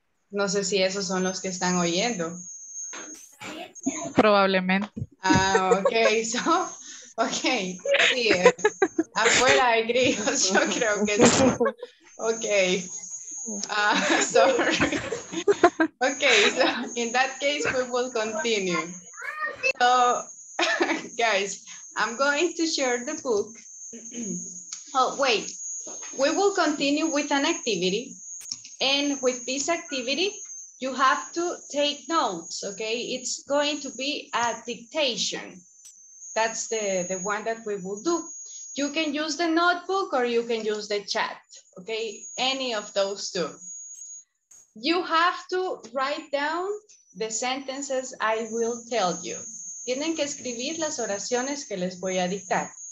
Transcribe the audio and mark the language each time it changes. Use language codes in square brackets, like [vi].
[es] No sé si esos son los que están oyendo. Probablemente. [en] Ah, ok. So, ok. [es] Sí, afuera hay grillos, yo creo que sí. [en] Ok. Sorry. Ok, so in that case, we will continue. So, guys, I'm going to share the book. Oh, wait. We will continue with an activity. And with this activity, you have to take notes, okay? It's going to be a dictation. That's the one that we will do. You can use the notebook or you can use the chat, okay? Any of those two. You have to write down the sentences I will tell you. [es] Tienen que escribir las oraciones que les voy a dictar.